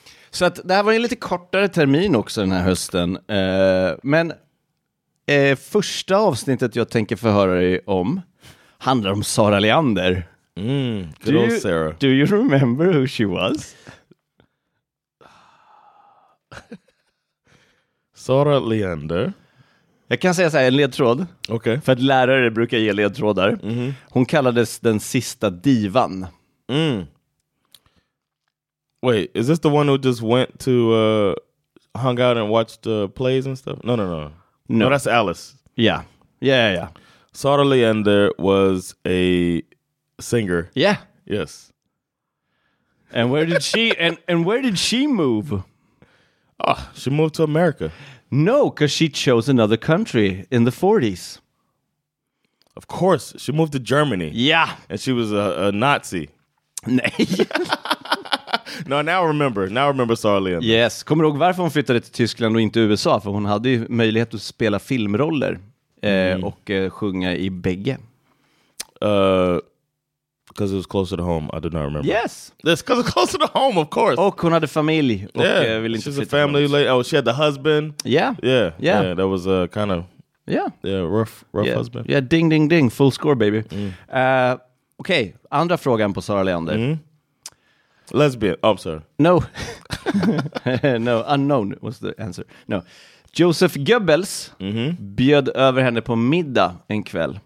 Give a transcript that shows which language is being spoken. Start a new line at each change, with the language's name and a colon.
Swedish: Så att, det här var ju en lite kortare termin också den här hösten. Men första avsnittet jag tänker förhöra dig om handlar om Sara Leander.
English: Mm, good old Sarah. Do you remember who she was?
Swedish: Sara Leander. Jag kan säga så här, en ledtråd.
English: Okay.
Swedish: För att lärare brukar ge ledtrådar. Mm-hmm. Hon kallades den sista divan. Mm.
English: Wait, is this the one who just went to hung out and watched plays and stuff? No. No, that's Alice. Yeah. Sara Leander was a singer. Yeah. Yes. And where did she and where did she move? Oh, she moved to America. No, because she chose another country in the 40s. Of course, she moved to Germany. Yeah. And she was a Nazi. No, now I remember Sara Leander.
Swedish: Yes, kommer du ihåg varför hon flyttade till Tyskland och inte USA? För hon hade ju möjlighet att spela filmroller. Mm. Och sjunga i bägge.
English: Because it was closer to home, I do not remember. Yes! Yes, because it was closer to home, of course.
Swedish: Och hon hade familj. Och
English: yeah,
Swedish: ville inte
English: she's a family lady. Oh, she had the husband. Yeah. That was a kind of rough husband. Yeah, ding, ding, ding. Full score, baby. Mm. Okej, okay.
Swedish: Andra frågan på Sara Leander.
English: Mm. Lesbian. Oh, I'm sorry. No. No, unknown was the answer. No.
Swedish: Joseph Goebbels bjöd över henne på middag en kväll.